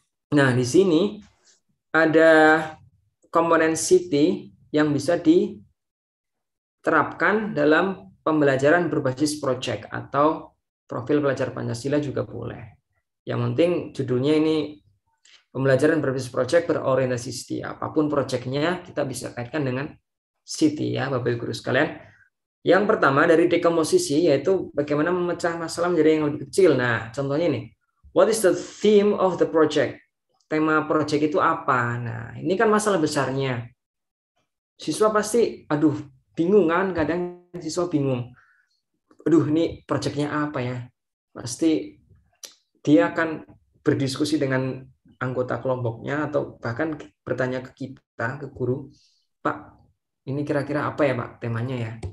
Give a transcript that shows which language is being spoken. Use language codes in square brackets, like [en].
[id] Nah, di sini ada komponen city yang bisa diterapkan dalam pembelajaran berbasis project atau profil pelajar Pancasila juga boleh. Yang penting judulnya ini pembelajaran berbasis project berorientasi city. Apapun projectnya kita bisa kaitkan dengan city ya, Bapak-Ibu guru sekalian. Yang pertama dari dekomposisi yaitu bagaimana memecah masalah menjadi yang lebih kecil. Nah, contohnya ini. [en] What is the theme of the project? [id] Tema project itu apa? Nah, ini kan masalah besarnya. Siswa pasti, aduh, bingung kan? Kadang siswa bingung. Aduh, ini projectnya apa ya? Pasti dia akan berdiskusi dengan anggota kelompoknya atau bahkan bertanya ke kita, ke guru, Pak, ini kira-kira apa ya, Pak, temanya ya?